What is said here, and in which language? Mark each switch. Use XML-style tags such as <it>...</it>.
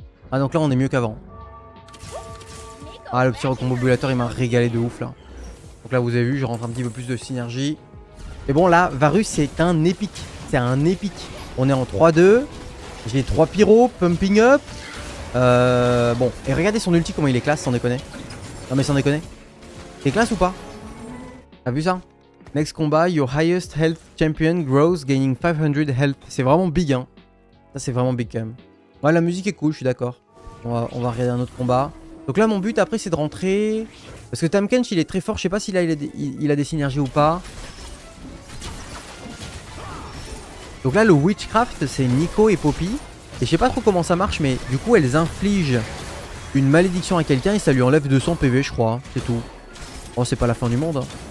<fr>Ah, donc là, on est mieux qu'avant. Ah, le petit recombobulateur, il m'a régalé de ouf, là. Donc là, vous avez vu, je rentre un petit peu plus de synergie. Mais bon, là, Varus, c'est un épique. C'est un épique. On est en 3-2. J'ai 3 pyros,</fr> <en>pumping up.</en> <fr>Bon, et regardez son ulti, comment il est classe, sans déconner. Non, mais sans déconner. T'es classe ou pas? T'as vu ça?</fr> <en>Next combat, your highest health champion grows, gaining 500 health.</en> <fr>C'est vraiment big, hein. Ça, c'est vraiment big, quand même. Ouais, la musique est cool, je suis d'accord. On va regarder un autre combat. Donc là, mon but après, c'est de rentrer. Parce que Tahm Kench, il est très fort. Je sais pas s'il a, il a des synergies ou pas. Donc là, le Witchcraft, c'est Nico et Poppy. Et je sais pas trop comment ça marche, mais du coup, elles infligent une malédiction à quelqu'un et ça lui enlève 200 PV, je crois. C'est tout. Oh, c'est pas la fin du monde.</fr>